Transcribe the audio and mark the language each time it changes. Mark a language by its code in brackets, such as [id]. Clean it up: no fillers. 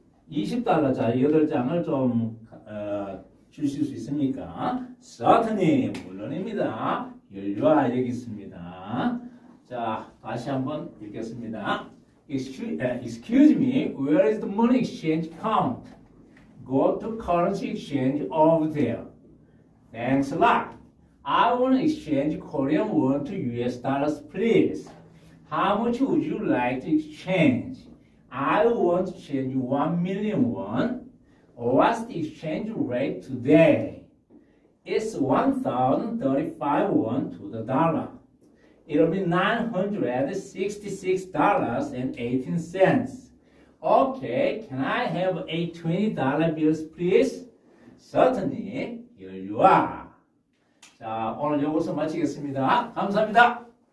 [ko] 20달러짜리 8장을 좀 주실 수 있습니까? Certainly, 물론입니다. 열려와 여기 있습니다. 자, 다시 한번 읽겠습니다. [en] Excuse me, where is the money exchange count? Go to currency exchange over there. Thanks a lot. I want to exchange Korean won to US dollars, please. How much would you like to exchange? I want to change 1,000,000 won. What's the exchange rate today? It's 1,035 won to the dollar. It'll be $966.18. Okay, can I have a $20 bills, please? Certainly, here you are. [ko] 자, 오늘 여기서 마치겠습니다. 감사합니다.